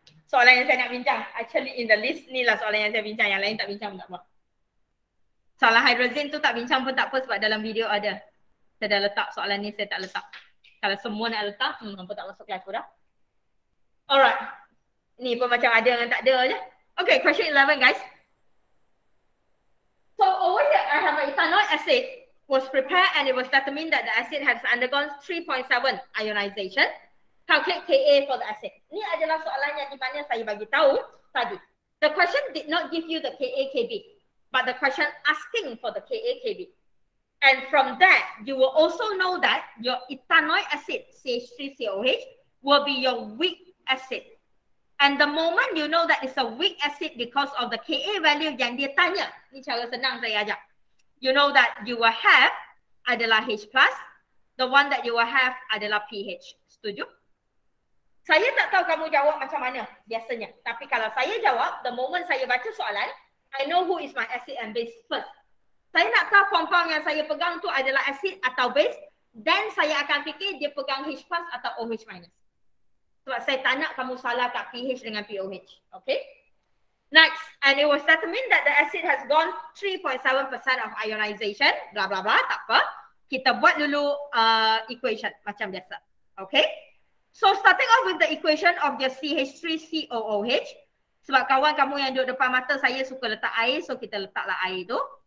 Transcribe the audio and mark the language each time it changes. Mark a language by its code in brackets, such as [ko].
[ms] Soalan yang saya nak bincang. [en] Actually in the list, [ms] ni lah soalan yang saya bincang. Yang lain tak bincang pun tak apa. Soalan hydrazine tu tak bincang pun tak apa sebab dalam video ada. Saya dah letak soalan ni, saya tak letak. Kalau semua nak letak, kenapa tak masuk live dah. Alright. Ni pun macam ada dengan tak ada je. [en] Okay, question 11 guys. So over here, I have an ethanoid acid was prepared and it was determined that the acid has undergone 3.7 ionization. Calculate Ka for the acid. [ms] Ni adalah soalan yang di mana saya bagi tahu tadi. [en] The question did not give you the KaKb, but the question asking for the KaKb. And from that, you will also know that your ethanoid acid, CH3COH, will be your weak acid. And the moment you know that it's a weak acid because of the Ka value [ms] yang dia tanya, ni cara senang saya ajak. [en] You know that you will have adalah H+, the one that you will have adalah pH. Setuju? [ms] Saya tak tahu kamu jawab macam mana biasanya. Tapi kalau saya jawab, [en] the moment [ms] saya baca soalan, [en] I know who is my acid and base first. [ms] Saya nak tahu compound yang saya pegang tu adalah acid atau base, then saya akan fikir dia pegang H plus atau OH minus. Sebab saya tak nak kamu salah kat pH dengan POH. [en] Okay? Next, and it was determined that the acid has gone 3.7% of ionization. Blah blah blah, [ms] tak apa. Kita buat dulu equation macam biasa. Okay? [en] So starting off with the equation of the CH3COOH. [ms] Sebab kawan kamu yang duduk depan mata saya suka letak air, so kita letaklah air tu.